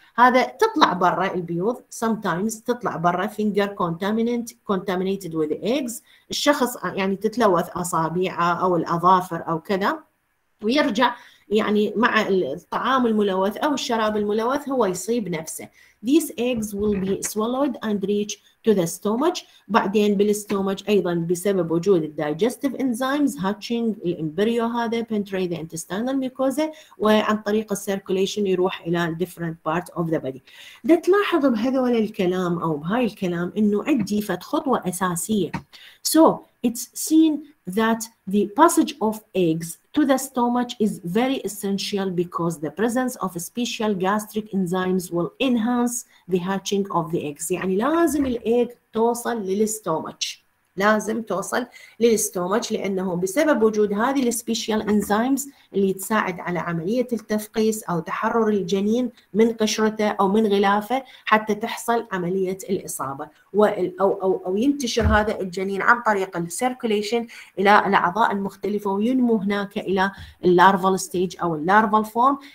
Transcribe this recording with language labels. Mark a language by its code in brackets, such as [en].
[ar] هذا تطلع برا البيوض. [en] Sometimes [ar] تطلع برا [en] finger contaminant contaminated with eggs. [ar] الشخص يعني تتلوث أصابعه أو الأظافر أو كذا ويرجع يعني مع الطعام الملوث أو الشراب الملوث هو يصيب نفسه. [en] These eggs will be swallowed and reach to the stomach. [ar] بعدين بالستومج أيضا بسبب وجود [en] digestive enzymes hatching the embryo [ar] هذا [en] penetrate the intestinal mucosa [ar] وعن طريق [en] circulation [ar] يروح إلى [en] different part of the body. [ar] ده تلاحظ بهذول الكلام أو بهاي الكلام إنه عندي فت خطوة أساسية. [en] So it's seen that the passage of eggs to the stomach is very essential because the presence of special gastric enzymes will enhance the hatching of the eggs. [ar] يعني لازم الايج توصل للستومج. لازم توصل للستومج لأنه بسبب وجود هذه الspecial enzymes اللي تساعد على عملية التفقيس أو تحرر الجنين من قشرته أو من غلافه حتى تحصل عملية الإصابة أو ينتشر هذا الجنين عن طريق circulation إلى الأعضاء المختلفة وينمو هناك إلى larval stage أو larval form.